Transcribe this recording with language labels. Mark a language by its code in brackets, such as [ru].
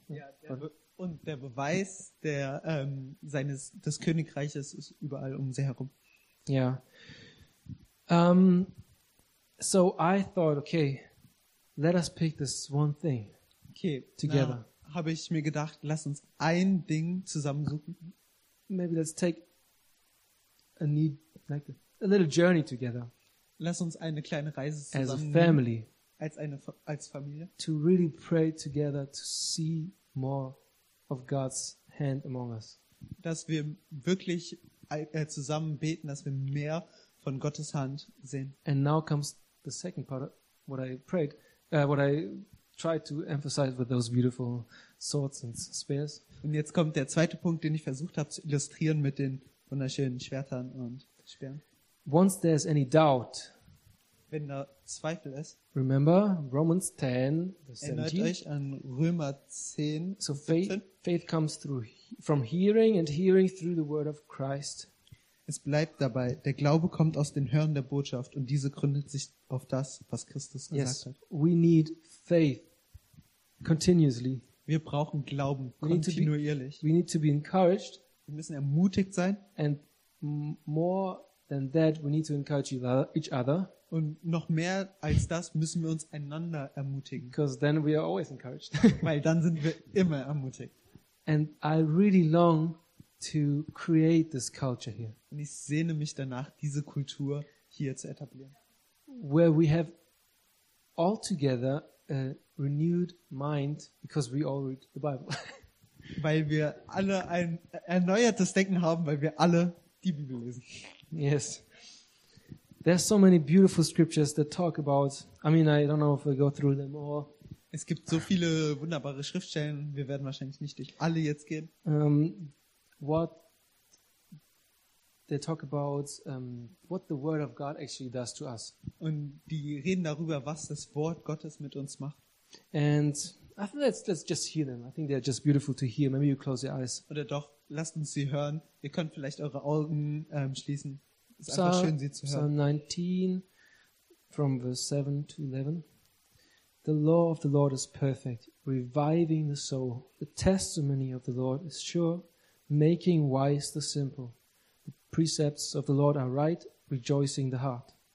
[de] Ja, und der Beweis der des Königreiches ist überall um sie herum. Ja. Yeah. [en] So I thought, okay, let us pick this one thing. Okay, together. [de] Habe ich mir gedacht, lass uns ein Ding zusammensuchen. [en] Maybe let's take a need like a little journey together. [de] Lass uns eine kleine Reise zusammen. [en] As a family. [de] Als Familie. [en] To really pray together to see more of God's hand among us. [de] Dass wir wirklich zusammen beten, dass wir mehr von Gottes Hand sehen. [en] And now comes the second part of what I prayed. What I tried to emphasize with those beautiful swords and spears. [de] Und jetzt kommt der zweite Punkt, den ich versucht habe zu illustrieren mit den wunderschönen Schwertern und Speeren. [en] Once there's any doubt, [de] wenn da Zweifel ist, [en] remember Romans 10, verse 17. [de] Erinnert euch an Römer 10, [en] so faith comes through from hearing and hearing through the word of Christ. [de] Es bleibt dabei, der Glaube kommt aus den Hören der Botschaft und diese gründet sich auf das, was Christus gesagt [en] yes, [de] hat. [en] We need faith continuously. [de] Wir brauchen Glauben kontinuierlich. [en] We need to be encouraged. [de] Wir müssen ermutigt sein. [en] And more than that, we need to encourage each other. [de] Und noch mehr als das müssen wir uns einander ermutigen. [en] Because then we are always encouraged. [de] Weil dann sind wir immer ermutigt. [en] And I really long to create this culture here. [de] Und ich sehne mich danach, diese Kultur hier zu etablieren. [en] Where we have all together a renewed mind, because we all read the Bible. [de] Weil wir alle ein erneuertes Denken haben, weil wir alle die Bibel lesen. [en] Yes. There's so many beautiful scriptures that talk about, I mean, I don't know if we go through them all. [de] Es gibt so viele wunderbare Schriftstellen, wir werden wahrscheinlich nicht durch alle jetzt gehen. [en] What they talk about, what the word of God actually does to us. [de] Und die reden darüber, was das Wort Gottes mit uns macht. [en] And I think let's just hear them. I think they're just beautiful to hear. Maybe you close your eyes. [de] Oder doch, lasst uns sie hören. Ihr könnt vielleicht eure Augen schließen. Es ist einfach schön, sie zu hören. [en] Psalm 19, from verse 7 to 11. The law of the Lord is perfect, reviving the soul. The testimony of the Lord is sure, making wise the simple. The precepts of the Lord are right, rejoicing the heart.